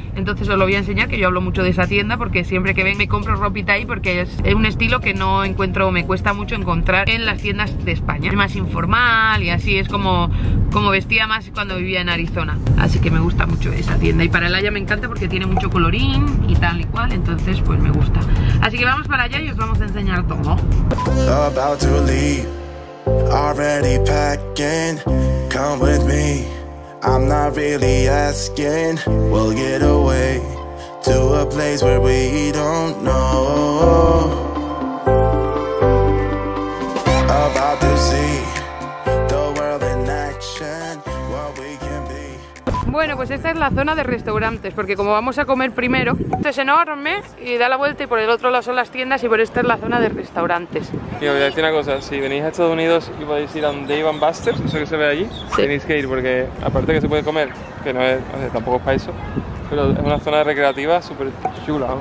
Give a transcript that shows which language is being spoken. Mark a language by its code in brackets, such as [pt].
[es] Entonces os lo voy a enseñar, que yo hablo mucho de esa tienda porque siempre que ven me compro ropita ahí, porque es un estilo que no encuentro, me cuesta mucho encontrar en las tiendas de España. Es más informal y así, es como vestía más cuando vivía en Arizona, así que me gusta mucho esa tienda. Y para el Aya me encanta porque tiene mucho colorín y tal y cual, entonces pues me gusta. Así que vamos para allá y os vamos a enseñar todo. [en] About to leave, already packing, come with me. I'm not really asking, we'll get away to a place where we don't know. About to see the world in action, what we can be. [es] Bueno, pues esta es la zona de restaurantes, porque como vamos a comer primero, esto es enorme y da la vuelta, y por el otro lado son las tiendas, y por esta es la zona de restaurantes. Y voy a decir una cosa, si venís a Estados Unidos y podéis ir a un Dave & Buster's, eso que se ve allí, sí, tenéis que ir, porque aparte que se puede comer, que no es, o sea, tampoco es para eso, pero es una zona recreativa súper chula.